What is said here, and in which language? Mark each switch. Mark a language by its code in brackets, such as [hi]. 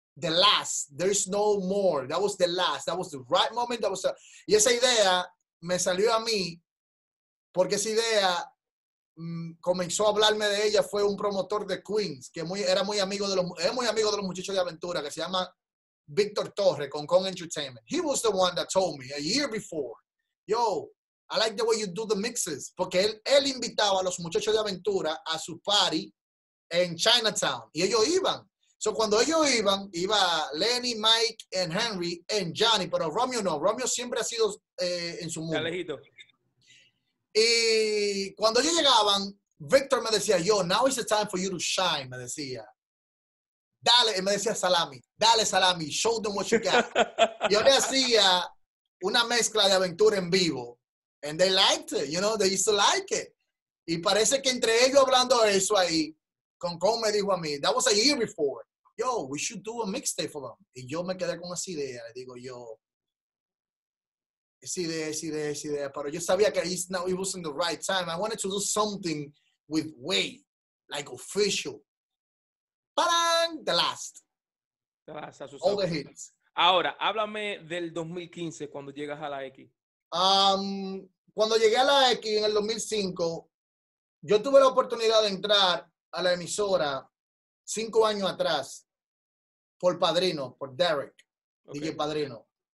[en] There's no more. That was the last. That was the right moment. [es] Y esa idea me salió a mí porque esa idea comenzó a hablarme de ella. Fue un promotor de Queens que es muy amigo de los muchachos de Aventura, que se llama Víctor Torres con Entertainment. [en] He was the one that told me a year before, yo, I like the way you do the mixes. [es] Porque él invitaba a los muchachos de Aventura a su party en Chinatown. Y ellos iban. So cuando ellos iban, iba Lenny, Mike, and Henry, and Johnny. Pero Romeo no. Romeo siempre ha sido en su mundo. Alejito. Y cuando ellos llegaban, Victor me decía, yo, [en] now is the time for you to shine, [es] me decía. Dale, y me decía Salami. Dale, Salami, [en] show them what you got. [es] Yo le hacía una mezcla de Aventura en vivo. [en] And they liked it, you know, they used to like it. [es] Y parece que entre ellos hablando eso ahí, Concon me dijo a mí, [en] that was a year before, yo, we should do a mixtape for them. [es] Y yo me quedé con esa idea. Le digo yo, esa idea. Pero yo sabía que [en] it wasn't the right time. I wanted to do something with Way, like official. ¡Tarán! The last. All the hits. [es] Ahora, háblame del 2015, cuando llegas a la X. Cuando llegué a la X en el 2005, yo tuve la oportunidad de entrar a la emisora 5 años atrás por Derek, okay. DJ Padrino.